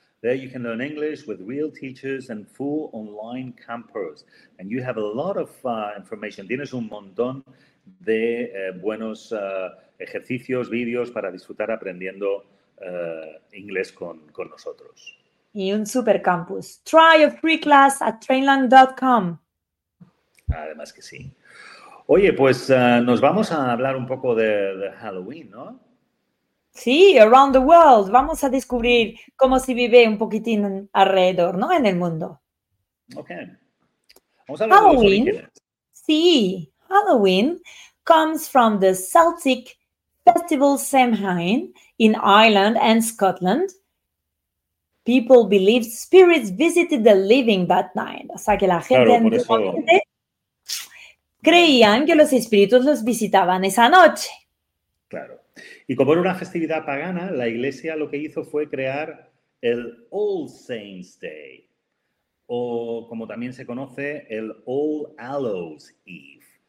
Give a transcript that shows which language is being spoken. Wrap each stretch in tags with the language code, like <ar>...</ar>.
<en>There you can learn English with real teachers and full online campers. And you have a lot of information.</en> <es>Tienes un montón de buenos ejercicios, videos para disfrutar aprendiendo inglés con nosotros. Y un super campus.</es> <en>Try a free class at trainland.com.</en> <es>Además que sí. Oye, pues nos vamos a hablar un poco de Halloween, ¿no?</es> <en>Sí, around the world.</en> <es>Vamos a descubrir cómo se vive un poquitín alrededor, ¿no? En el mundo. Ok. Vamos a hablar Halloween, de los orígenes.</es> <en>Sí, Halloween comes from the Celtic festival Samhain in Ireland and Scotland. People believed spirits visited the living that night.</en> <es>O sea, que la gente creían que los espíritus los visitaban esa noche. Claro. Y como era una festividad pagana, la iglesia lo que hizo fue crear el All Saints Day, o como también se conoce, el All Hallows Eve.</es>